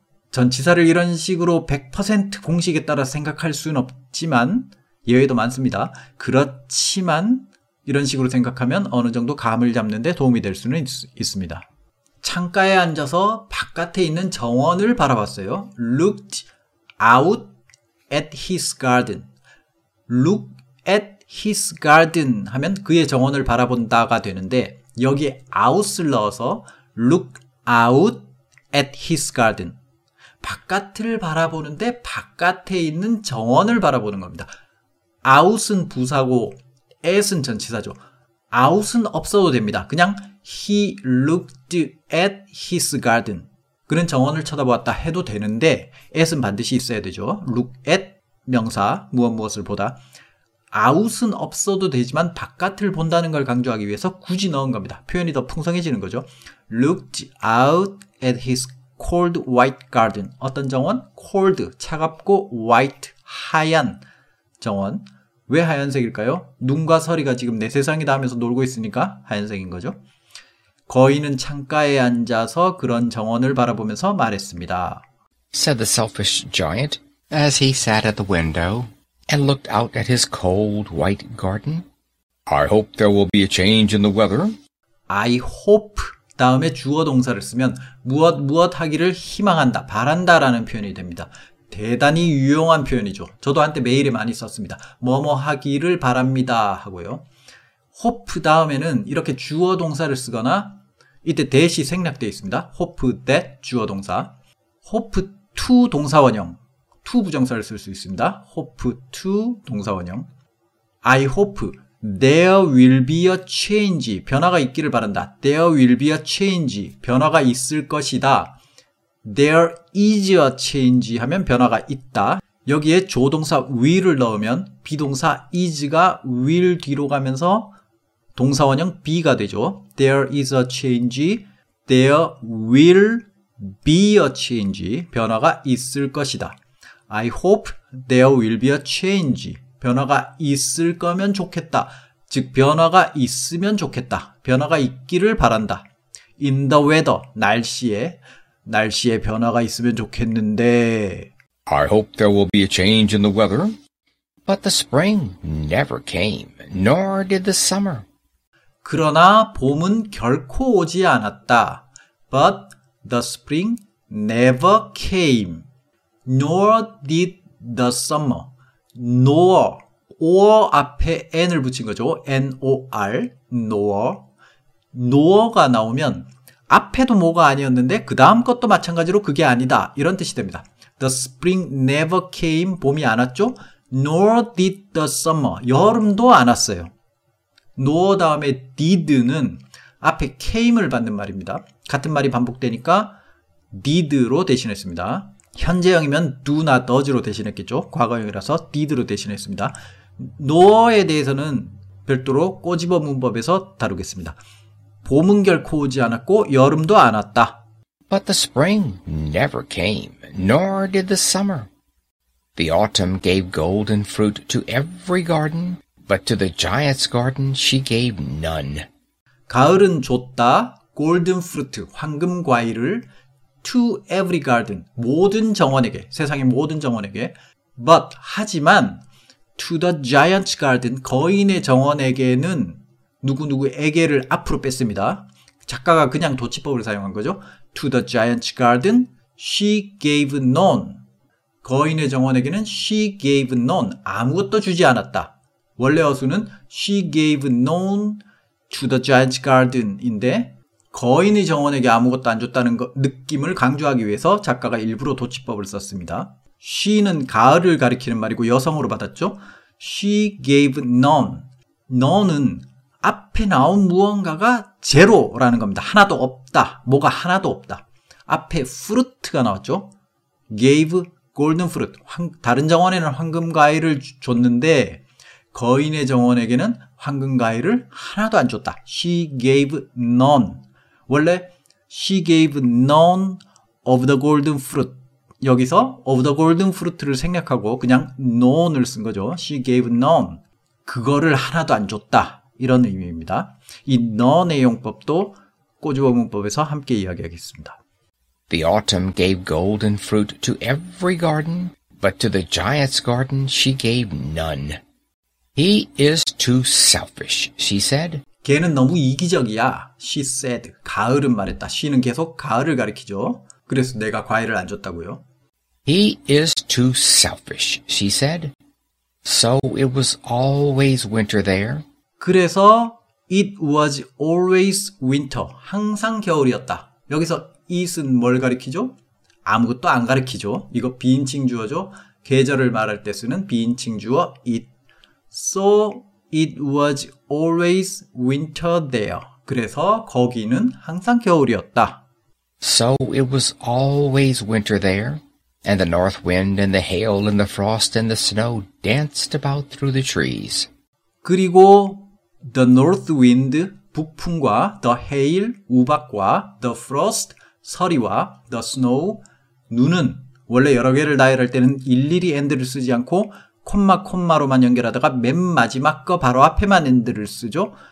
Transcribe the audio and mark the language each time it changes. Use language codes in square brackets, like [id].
[ko] 전치사를 이런 식으로 100% 공식에 따라 생각할 수는 없지만 예외도 많습니다. 그렇지만 이런 식으로 생각하면 어느 정도 감을 잡는 데 도움이 될 수는 있습니다. 창가에 앉아서 바깥에 있는 정원을 바라봤어요. [en] looked out at his garden. look at his garden [ko] 하면 그의 정원을 바라본다가 되는데 여기 [en] out을 넣어서 look out at his garden. [ko] 바깥을 바라보는데 바깥에 있는 정원을 바라보는 겁니다. out은 부사고 at은 전치사죠. out은 없어도 됩니다. 그냥 [en] he looked at his garden. [ko] 그는 정원을 쳐다보았다 해도 되는데 at은 반드시 있어야 되죠. look at 명사 무엇무엇을 보다. out은 없어도 되지만 바깥을 본다는 걸 강조하기 위해서 굳이 넣은 겁니다. 표현이 더 풍성해지는 거죠. [en] looked out at his cold white garden. [ko] 어떤 정원? cold, 차갑고 white, 하얀 정원. 왜 하얀색일까요? 눈과 서리가 지금 내 세상이다 하면서 놀고 있으니까 하얀색인 거죠. 거인은 창가에 앉아서 그런 정원을 바라보면서 말했습니다. [en] said the selfish giant as he sat at the window and looked out at his cold white garden. I hope there will be a change in the weather. I hope [ko] 다음에 주어 동사를 쓰면 무엇 무엇 하기를 희망한다, 바란다 라는 표현이 됩니다. 대단히 유용한 표현이죠. 저도 한때 메일에 많이 썼습니다. 뭐뭐 하기를 바랍니다 하고요. hope 다음에는 이렇게 주어 동사를 쓰거나 이때 that이 생략되어 있습니다. hope that 주어 동사. hope to 동사원형, to 부정사를 쓸 수 있습니다. [en] hope to 동사원형. I hope there will be a change, [ko] 변화가 있기를 바란다. [en] there will be a change, [ko] 변화가 있을 것이다. [en] there is a change [ko] 하면 변화가 있다. 여기에 조동사 will을 넣으면 비동사 is가 will 뒤로 가면서 동사원형 be가 되죠. [en] there is a change, there will be a change, [ko] 변화가 있을 것이다. [en] I hope there will be a change, [ko] 변화가 있을 거면 좋겠다. 즉 변화가 있으면 좋겠다. 변화가 있기를 바란다. [en] In the weather, [ko] 날씨에. 날씨에 변화가 있으면 좋겠는데. [en] I hope there will be a change in the weather. But the spring never came, nor did the summer. [ko] 그러나 봄은 결코 오지 않았다. [en] But the spring never came, nor did the summer. [ko] nor, or 앞에 n을 붙인 거죠. [en] n-o-r, nor. [ko] nor가 나오면 앞에도 뭐가 아니었는데 그 다음 것도 마찬가지로 그게 아니다. 이런 뜻이 됩니다. [en] The spring never came, [ko] 봄이 안 왔죠. [en] nor did the summer, [ko] 여름도 안 왔어요. nor 다음에 did는 앞에 came을 받는 말입니다. 같은 말이 반복되니까 did로 대신했습니다. 현재형이면 do나 does로 대신했겠죠. 과거형이라서 did로 대신했습니다. nor에 대해서는 별도로 꼬집어 문법에서 다루겠습니다. 봄은 결코 오지 않았고 여름도 안 왔다. [en] But the spring never came, nor did the summer. The autumn gave golden fruit to every garden, but to the giant's garden she gave none. [ko] 가을은 줬다. golden fruit, 황금 과일을 [en] to every garden, [ko] 모든 정원에게, 세상의 모든 정원에게. But, 하지만, [en] to the giant's garden, [ko] 거인의 정원에게는 누구누구에게를 앞으로 뺐습니다. 작가가 그냥 도치법을 사용한 거죠. [en] To the giant's garden, she gave none. [ko] 거인의 정원에게는 [en] she gave none. [ko] 아무것도 주지 않았다. 원래 어순은 [en] she gave none to the giant's garden [ko] 인데, 거인의 정원에게 아무것도 안 줬다는 느낌을 강조하기 위해서 작가가 일부러 도치법을 썼습니다. She는 가을을 가리키는 말이고 여성으로 받았죠. [en] She gave none. [ko] None은 앞에 나온 무언가가 제로라는 겁니다. 하나도 없다. 뭐가 하나도 없다. 앞에 fruit가 나왔죠. [en] Gave golden fruit. [ko] 다른 정원에는 황금 과일을 줬는데 거인의 정원에게는 황금 과일을 하나도 안 줬다. [en] She gave none. 원래 she gave none of the golden fruit. [ko] 여기서 [en] of the golden fruit [ko] 를 생략하고 그냥 none을 쓴 거죠. [en] She gave none. [ko] 그거를 하나도 안 줬다. 이런 의미입니다. 이 none의 용법도 꼬집어 문법에서 함께 이야기하겠습니다. [en] The autumn gave golden fruit to every garden, but to the giant's garden she gave none. He is too selfish, she said. [ko] 걔는 너무 이기적이야. [en] She said. [ko] 가을은 말했다. She는 계속 가을을 가리키죠. 그래서 내가 과일을 안 줬다고요. [en] He is too selfish, she said. So it was always winter there. 그래서 it was always winter. [ko] 항상 겨울이었다. 여기서 it은 뭘 가리키죠? 아무것도 안 가리키죠. 이거 비인칭 주어죠. 계절을 말할 때 쓰는 비인칭 주어 it. [en] So it was always winter there. [ko] 그래서 거기는 항상 겨울이었다. [en] So it was always winter there, and the north wind and the hail and the frost and the snow danced about through the trees. [ko] 그리고 [en] the north wind, [ko] 북풍과 [en] the hail, [ko] 우박과 [en] the frost, [ko] 서리와 [en] the snow, [ko] 눈은 원래 여러 개를 나열할 때는 일일이 and를 쓰지 않고 콤마 콤마로만 연결하다가 맨 마지막 거 바로 앞에만 엔드를 쓰죠.